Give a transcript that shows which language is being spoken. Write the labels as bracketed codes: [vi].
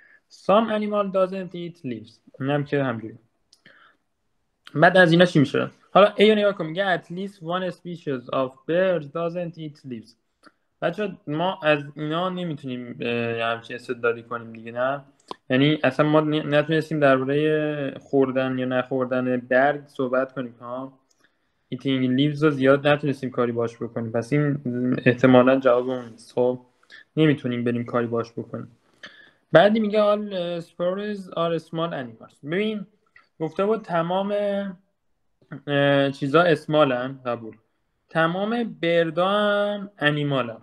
[en] Some animal doesn't eat leaves. [fa] این هم که همجوری. بعد از اینا چی میشه؟ حالا ایو نگاه کن، میگه [en] at least one species of birds doesn't eat leaves. [fa] بچه ما از اینا نمیتونیم همچین استدلالی کنیم دیگه، نه؟ یعنی اصلا ما نتونستیم درباره خوردن یا نخوردن برگ صحبت کنیم، ها؟ [en] eating leaves [fa] رو زیاد نتونستیم کاری باش بکنیم، پس این احتمالا جواب اون نیست. خب نمیتونیم بریم کاری باش بکنیم. بعدی میگه [en] all sparrows are small animals. [fa] ببین گفته بود تمام چیزا اسمال هم، قبول، تمام بردا هم انیمال هم.